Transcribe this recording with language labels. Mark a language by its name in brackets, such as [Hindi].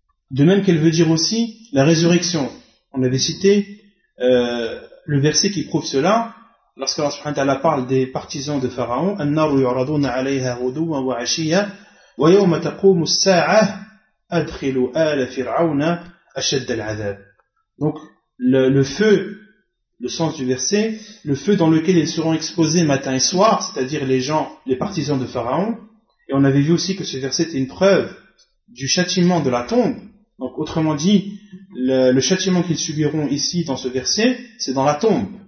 [French] De même qu'elle veut dire aussi la résurrection. On avait cité le verset qui prouve cela. Lorsque Allah subhanahu wa ta'ala parle des partisans de Pharaon, [Arabic] النار يعرضون عليها غدوا وعشيا ويوم تقوم الساعة أدخلوا آل فرعون أشد العذاب. [French] Donc le feu, le sens du verset, le feu dans lequel ils seront exposés matin et soir, c'est-à-dire les gens, les partisans de Pharaon. Et on avait vu aussi que ce verset était une preuve du châtiment de la tombe. Donc autrement dit, le châtiment qu'ils subiront ici dans ce verset, c'est dans la tombe.